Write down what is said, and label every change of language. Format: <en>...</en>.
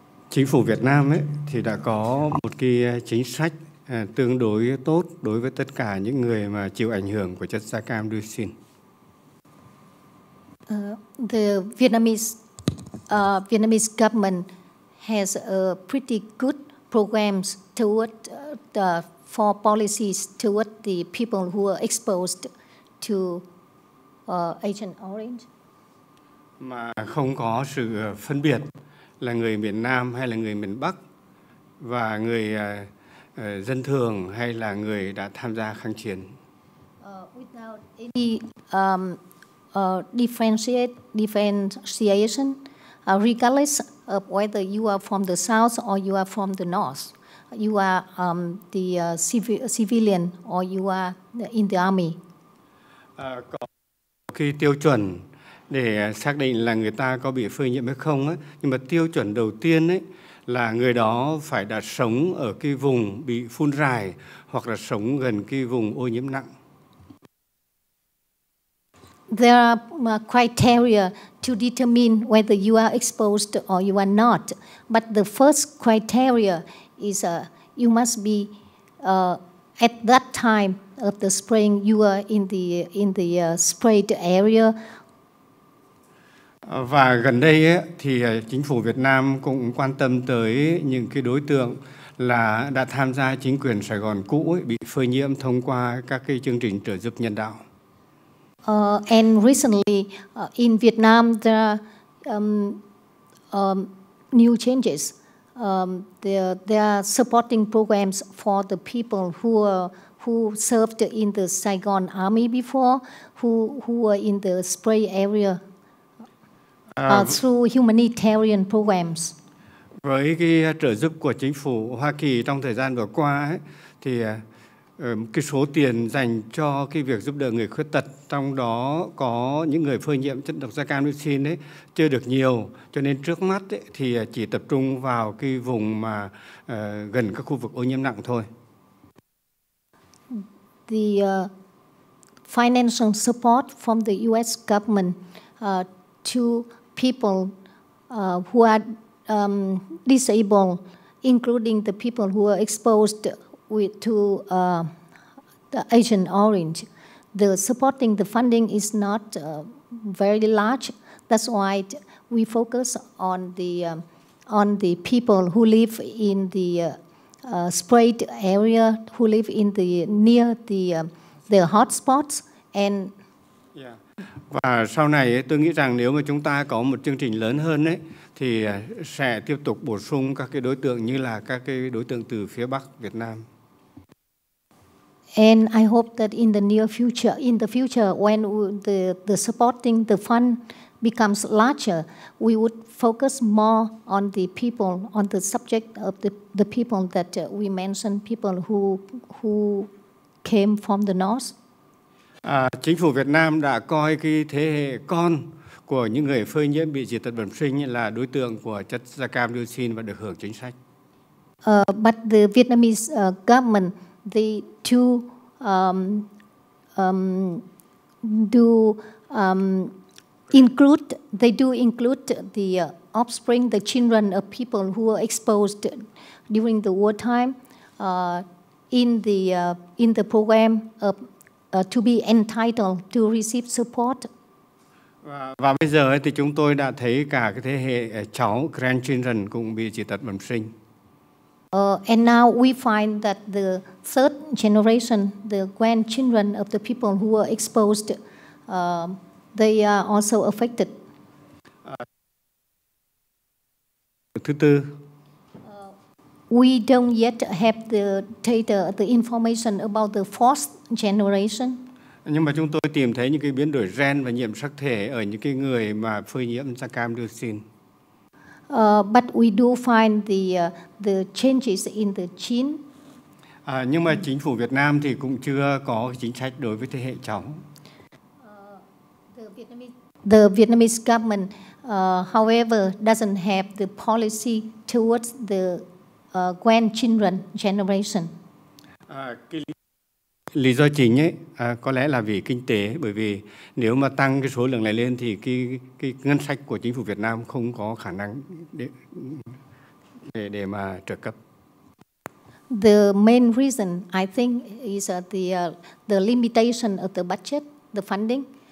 <vi>Chính phủ Việt Nam ấy, thì đã có một cái chính sách tương đối tốt đối với tất cả những người mà chịu ảnh hưởng của chất da cam dioxin.</vi> <en>The Vietnamese government has a pretty good programs toward the for policies toward the people who are exposed to Agent Orange.</en> <vi>Mà không có sự phân biệt là người miền Nam hay là người miền Bắc và người dân thường hay là người đã tham gia kháng chiến.</vi> <en>Without any differentiation, regardless of whether you are from the south or you are from the north, you are the civilian or you are in the army.</en> <vi>Có cái tiêu chuẩn để xác định là người ta có bị phơi nhiễm hay không á, nhưng mà tiêu chuẩn đầu tiên ấy là người đó phải đã sống ở cái vùng bị phun rài hoặc là sống gần cái vùng ô nhiễm nặng.</vi> <en>There are criteria to determine whether you are exposed or you are not, but the first criteria is you must be at that time of the spraying you are in the sprayed area.</en> <vi>Và gần đây ấy, thì chính phủ Việt Nam cũng quan tâm tới những cái đối tượng là đã tham gia chính quyền Sài Gòn cũ ấy, bị phơi nhiễm thông qua các cái chương trình trợ giúp nhân đạo.</vi> <en>And recently in Vietnam there are new changes. There are supporting programs for the people who served in the Saigon army before, who were in the spray area. Through humanitarian programs.</en> <vi>Với cái trợ giúp của chính phủ Hoa Kỳ trong thời gian vừa qua ấy, thì cái số tiền dành cho cái việc giúp đỡ người khuyết tật, trong đó có những người phơi nhiễm chất độc da cam dioxin ấy, chưa được nhiều, cho nên trước mắt ấy, thì chỉ tập trung vào cái vùng mà gần các khu vực ô nhiễm nặng thôi.</vi> <en>The financial support from the US government to people who are disabled, including the people who are exposed to the Agent Orange, the funding is not very large. That's why we focus on the people who live in the sprayed area, who live in the near the hotspots, and. Yeah.</en> <vi>Và sau này tôi nghĩ rằng nếu mà chúng ta có một chương trình lớn hơn ấy, thì sẽ tiếp tục bổ sung các cái đối tượng như là các cái đối tượng từ phía Bắc Việt Nam.</vi> <en>And I hope that in the near future, in the future, when the supporting the fund becomes larger, we would focus more on the people, on the subject of the people that we mentioned, people who came from the north.</en> <vi>Chính phủ Việt Nam đã coi cái thế hệ con của những người phơi nhiễm bị dị tật bẩm sinh là đối tượng của chất da cam dioxin và được hưởng chính sách.</vi> <en>But the Vietnamese government, they to do include, they do include the offspring, the children of people who were exposed during the wartime in the program of to be entitled to receive support.</en> <vi>Và bây giờ thì chúng tôi đã thấy cả cái thế hệ cháu</vi> <en>grandchildren</en> <vi>cũng bị dị tật bẩm sinh.</vi> <en>And now we find that the third generation, the grandchildren of the people who were exposed, they are also affected.</en> <vi>Thứ tư.</vi> <en>We don't yet have the data, the information about the fourth generation.</en> <vi>Nhưng mà chúng tôi tìm thấy những cái biến đổi gen và nhiễm sắc thể ở những cái người mà phơi nhiễm da cam dioxin.</vi> <en>But we do find the changes in the gene.</en> <vi>Nhưng mà chính phủ Việt Nam thì cũng chưa có chính sách đối với thế hệ cháu.</vi> <en>The Vietnamese government, however, doesn't have the policy towards the grandchildren generation.</en> <vi>Lý do chính ấy, có lẽ là vì kinh tế, bởi vì nếu mà tăng cái số lượng này lên thì cái ngân sách của chính phủ Việt Nam không có khả năng để mà trợ cấp.</vi> <en>The main reason, I think, is the limitation of the budget, the funding.</en>